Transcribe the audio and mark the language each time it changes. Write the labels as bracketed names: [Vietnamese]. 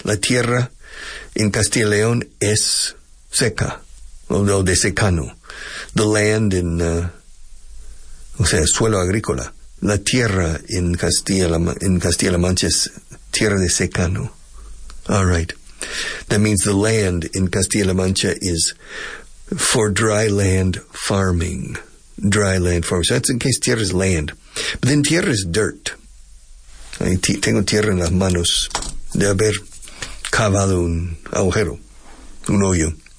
[Spanish] La tierra en Castilla y León es seca. O de secano. [English] The land in... [Spanish] O sea, suelo agrícola. La tierra en Castilla-La Mancha es tierra de secano. [English] All right. That means the land in Castilla-La Mancha is for dry land farming. Dry land farming. So that's in case tierra is land. But then tierra is dirt. [Spanish] Tengo tierra en las manos de haber cavado un agujero, un hoyo.